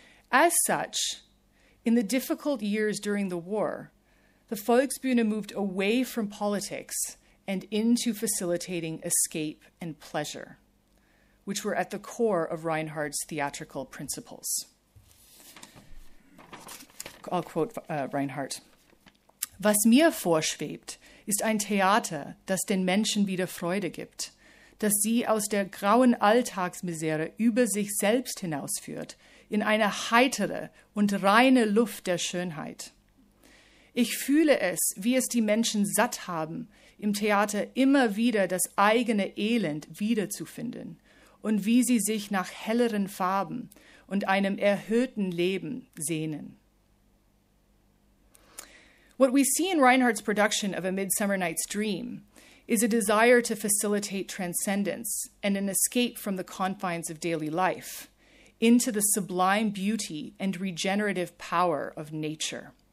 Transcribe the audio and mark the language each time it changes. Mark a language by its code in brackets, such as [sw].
[en] As such, in the difficult years during the war, the Volksbühne moved away from politics and into facilitating escape and pleasure, which were at the core of Reinhardt's theatrical principles. I'll quote Reinhardt. [de] Was mir vorschwebt, ist ein Theater, das den Menschen wieder Freude gibt, das sie aus der grauen Alltagsmisere über sich selbst hinausführt, in eine heitere und reine Luft der Schönheit. Ich fühle es, wie es die Menschen satt haben, im Theater immer wieder das eigene Elend wiederzufinden und wie sie sich nach helleren Farben und einem erhöhten Leben sehnen. [en] What we see in Reinhardt's production of A Midsummer Night's Dream is a desire to facilitate transcendence and an escape from the confines of daily life into the sublime beauty and regenerative power of nature.